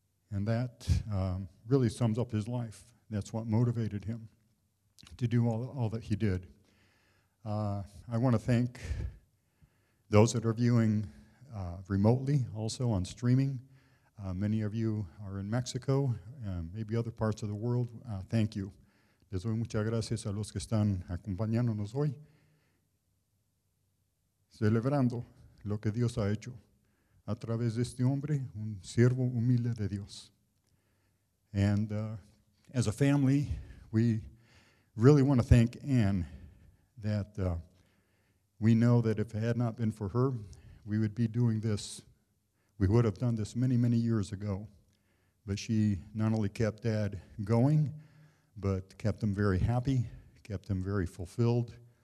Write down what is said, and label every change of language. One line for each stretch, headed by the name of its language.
English: And that really sums up his life. That's what motivated him to do all that he did. I want to thank those that are viewing remotely, also on streaming. Many of you are in Mexico, maybe other parts of the world. Thank you.
Spanish: Les doy muchas gracias a los que están acompañándonos hoy, celebrando lo que Dios ha hecho a través de este hombre, un siervo humilde de Dios.
English: And as a family, we really want to thank Anne that we know that if it had not been for her, we would be doing this. We would have done this many, many years ago. But she not only kept Dad going, but kept him very happy, kept him very fulfilled.